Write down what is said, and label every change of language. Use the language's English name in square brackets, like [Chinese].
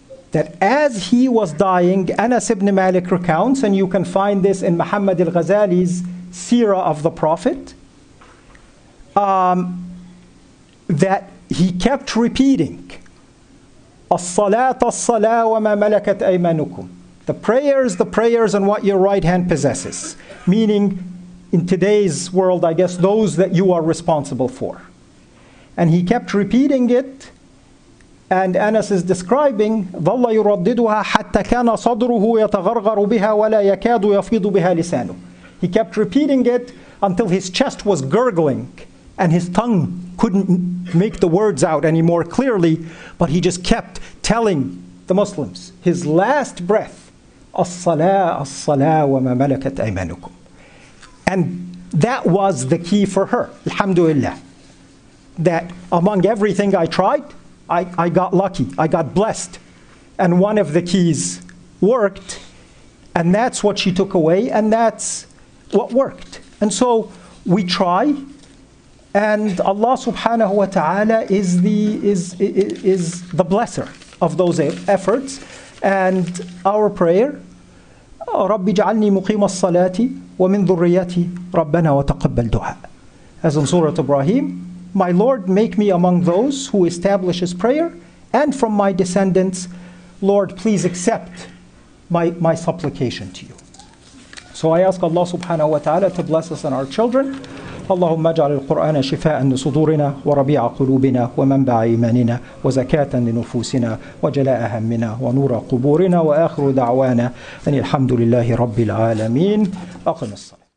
[English] That as he was dying, Anas ibn Malik recounts, and you can find this in Muhammad al-Ghazali's Sirah of the Prophet, that he kept repeating, [Arabic] "As-salat, as-salat, wa ma malakat aymanukum." [English] The prayers and what your right hand possesses. Meaning, in today's world, I guess, those that you are responsible for. And he kept repeating it, and Anas is describing, [Arabic] ظَلَّ يُرَدِّدُهَا حَتَّى كَانَ صَدْرُهُ يَتَغَرْغَرُ بِهَا وَلَا يَكَادُ يَفِيضُ بِهَا لِسَانُ. [English] He kept repeating it until his chest was gurgling and his tongue couldn't make the words out any more clearly, but he just kept telling the Muslims his last breath, [Arabic] الصَّلَاةُ الصَّلَاةُ وَمَا مَلَكَتْ أَيْمَانُكُمْ. [English] And that was the key for her, alhamdulillah, that among everything I tried, I got lucky, I got blessed, and one of the keys worked, and that's what she took away, and that's what worked. And so we try, and Allah subhanahu wa ta'ala is the blesser of those efforts, And our prayer, [Arabic] رَبِّ جَعَلْنِي مُقِيمَ الصَّلَاةِ وَمِنْ ذُرِّيَّتِي رَبَّنَا وَتَقَبَّلْ دُعَى. [English] As in Surah Ibrahim, my Lord, make me among those who establishes prayer, and from my descendants, Lord, please accept my supplication to you. So I ask Allah subhanahu wa ta'ala to bless us and our children. [Arabic] اللهم اجعل القرآن شفاء لصدورنا وربيع قلوبنا ومنبع إيماننا وزكاة لنفوسنا وجلاء همنا ونور قبورنا وآخر دعوانا أن الحمد لله رب العالمين. أقم الصلاة.